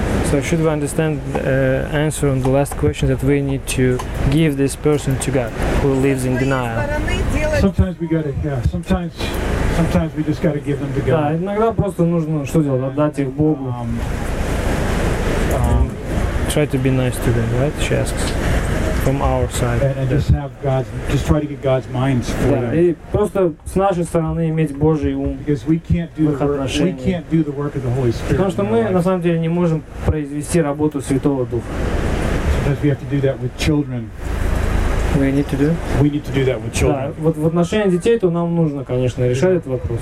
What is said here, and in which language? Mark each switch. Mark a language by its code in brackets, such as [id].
[en] So should we understand the answer on the last question that we need to give this person to God who lives in denial? Sometimes we gotta, yeah, sometimes we just gotta give them to God. [ru] Да, иногда просто нужно что делать, отдать их Богу. [en] Try to be nice to them, right? She asks. From our side. And just have God's, just try to get God's mind for them. [ru] Да, и просто с нашей стороны иметь Божий ум. [en] Because we can't do the work of the Holy Spirit. [ru] Потому что мы на самом деле не можем произвести работу Святого Духа. [en] Sometimes we have to do that with children. We need to do that with children. [ru] Да, вот в отношении детей то нам нужно, конечно, решать этот вопрос.